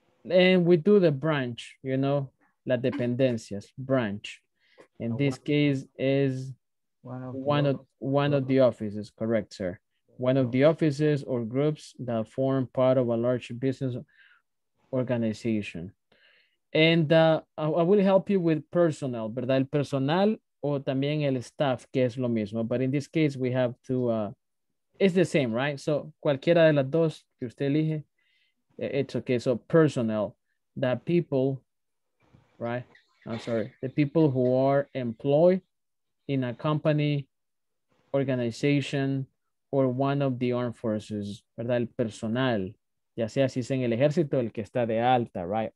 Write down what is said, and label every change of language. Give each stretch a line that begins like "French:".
English: And we do the branch, you know,
Spanish: la dependencias,
English: branch. In this case is one of the offices, correct, sir. One of the offices or groups that form part of a large business organization. And I will help you with personnel, ¿verdad?
Spanish: El personal o también el staff, que es lo mismo.
English: But in this case, we have to, it's the same, right?
Spanish: So cualquiera de las dos que usted elige,
English: it's okay. So personnel, that people, right? I'm sorry. The people who are employed in a company, organization, or one of the armed forces, ¿verdad?
Spanish: El personal, ya sea si es en el ejército, el que está de alta, right?